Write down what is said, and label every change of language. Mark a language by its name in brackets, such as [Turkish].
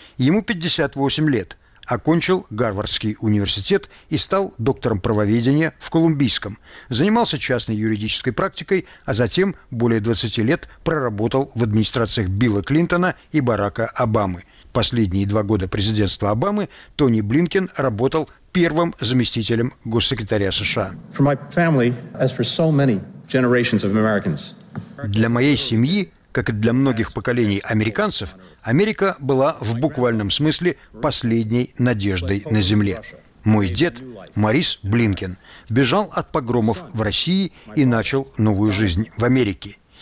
[Russian] Ему 58 лет. Окончил Гарвардский университет и стал доктором правоведения в Колумбийском. Занимался частной юридической практикой, а затем более 20 лет проработал в администрациях Билла Клинтона и Барака Обамы. Последние два года президентства Обамы Тони Блинкен работал первым заместителем госсекретаря США. [English] For my family, as for so many generations of Americans. [Russian] Для моей семьи, как и для многих поколений американцев, Америка была в буквальном смысле последней надеждой на земле. Мой дед, Морис Блинкен, бежал от погромов в России и начал новую жизнь в Америке.